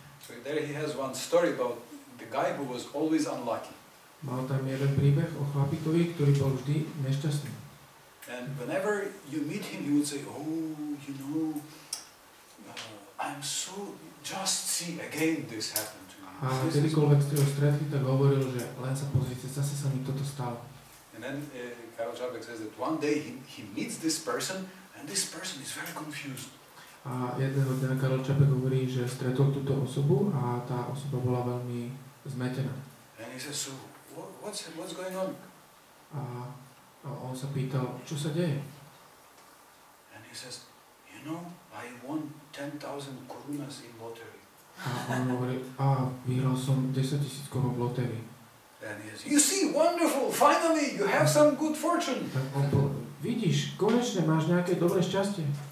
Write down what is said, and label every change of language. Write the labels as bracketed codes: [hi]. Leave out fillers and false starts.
[en] So there he has one story about the guy who was always unlucky. [sk] Mal tam jeden príbeh o chlapíkovi, ktorý bol vždy nešťastný. [en] And whenever you meet him, he would say, oh, you know, I'm so, just see again this happened. [sk] A kedykoľvek ste ho stretli, tak hovoril, že len sa pozrite, zase sa mi toto stalo. [en] And then Karol Čapek says that one day he meets this person and this person is very confused. [sk] A jedného dňa Karol Čapek hovorí, že stretol túto osobu a tá osoba bola veľmi zmetená. [en] And he says, so what's going on? [sk] A on sa pýtal, čo sa deje? [en] And he says, you know, I won 10,000 korunas in lottery. [sk] A on hovorí, a vyhral som 10 000 korun v lotérii. [en] And he says, you see, wonderful, finally, you have some good fortune. [sk] Tak on povedal, vidíš, konečne máš nejaké dobré šťastie.